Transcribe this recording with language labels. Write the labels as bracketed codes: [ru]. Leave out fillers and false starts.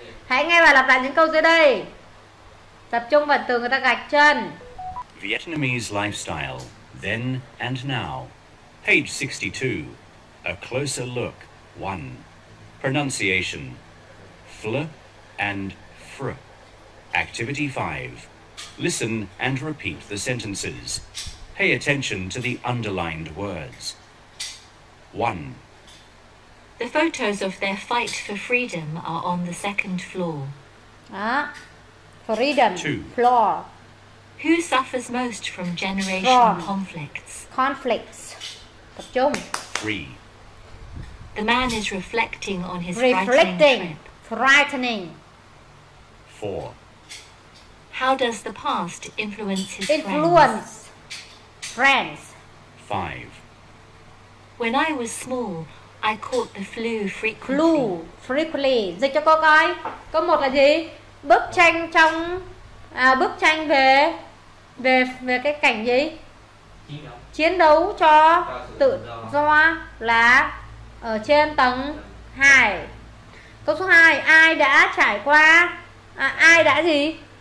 [vi] Hãy nghe và lặp lại những câu dưới đây. Tập trung vào từ người ta gạch chân. [en] Vietnamese lifestyle, then and now. Page 62. A closer look. 1. Pronunciation. Fl and fr. Activity 5. Listen and repeat the sentences. Pay attention to the underlined words. 1. The photos of their fight for freedom are on the second floor. Ah, freedom. 2. Floor. Who suffers most from generational floor. Conflicts? [vi] Conflicts. Tập trung. [en] 3. The man is reflecting on his frightening trip. Frightening. 4. How does the past influence his influence. Friends? 5. When I was small, I caught the flu frequently. Flu frequently. [vi] Dịch cho cô coi. Câu 1 là gì? Bức tranh trong bức tranh về cái cảnh gì? Chiến đấu cho tự do là ở trên tầng 2. Câu số 2, ai đã trải qua ai đã gì?